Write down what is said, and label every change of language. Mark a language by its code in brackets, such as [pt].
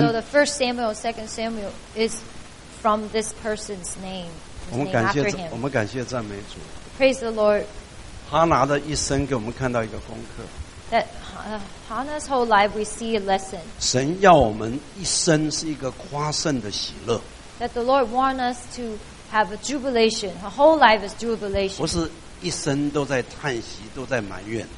[en] So the First Samuel, Second Samuel is from this person's name. [zh] 我们感谢赞美主。 [en] Praise the Lord. [zh] 哈拿的一生给我们看到一个功课。 [en] That Hannah's whole life, we see a lesson. [zh] 神要我们一生是一个夸胜的喜乐。 [en] That the Lord wants us to have a jubilation. Her whole life is jubilation. [zh] 不是一生都在叹息，都在埋怨。